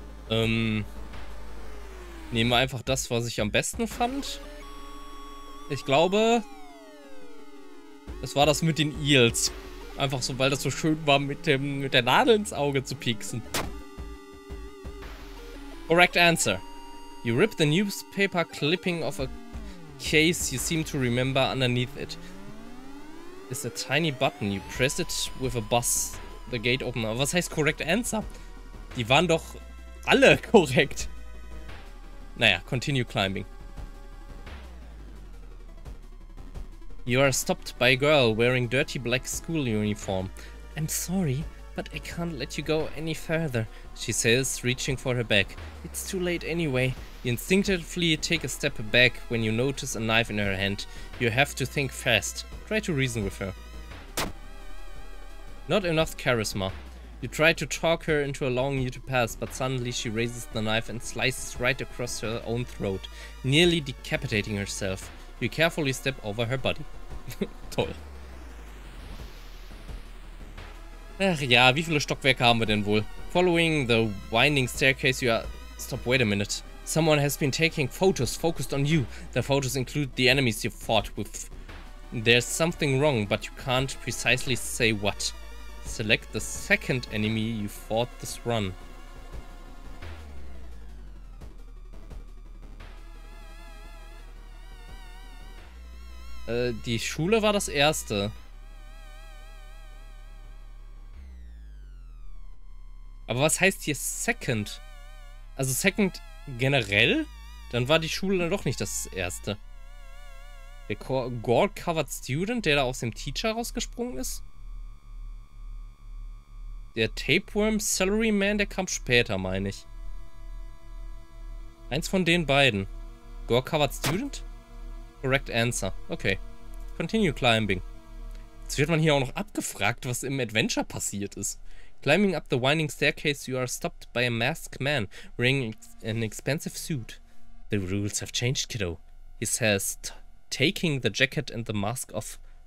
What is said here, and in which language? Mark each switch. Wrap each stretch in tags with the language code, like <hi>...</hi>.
<de>Nehmen wir einfach das, was ich am besten fand. Ich glaube, es war das mit den Eels. Einfach so, weil das so schön war, mit der Nadel ins Auge zu pieksen.</de> <en>Correct answer. You rip the newspaper clipping of a case you seem to remember underneath it. It's a tiny button. You press it with a buzz. The gate open.</en> <de>Aber was heißt</de> <en>correct answer?</en> <de>Die waren doch alle korrekt.</de> <en>Naja, continue climbing. You are stopped by a girl wearing dirty black school uniform. I'm sorry, but I can't let you go any further, she says, reaching for her bag. It's too late anyway. You instinctively take a step back when you notice a knife in her hand. You have to think fast. Try to reason with her. Not enough charisma. You try to talk her into allowing you to pass, but suddenly she raises the knife and slices right across her own throat, nearly decapitating herself. You carefully step over her body. Toll.</en> <de>Ach ja, wie viele Stockwerke haben wir denn wohl?</de> <en>Following the winding staircase, you are... Stop, wait a minute. Someone has been taking photos focused on you. The photos include the enemies you fought with. There's something wrong, but you can't precisely say what. Select the second enemy you fought this run.</en> <de>Die Schule war das erste. Aber was heißt hier second? Also second generell? Dann war die Schule dann doch nicht das erste. Der gore-covered student, der da aus dem Teacher rausgesprungen ist? Der Tapeworm Salaryman, der kam später, meine ich. Eins von den beiden.</de> <en>Gore-covered student? Correct answer. Okay. Continue climbing.</en> <de>Jetzt wird man hier auch noch abgefragt, was im Adventure passiert ist.</de> <en>Climbing up the winding staircase, you are stopped by a masked man wearing an expensive suit. The rules have changed, kiddo. He says, taking the jacket and the mask off.</en>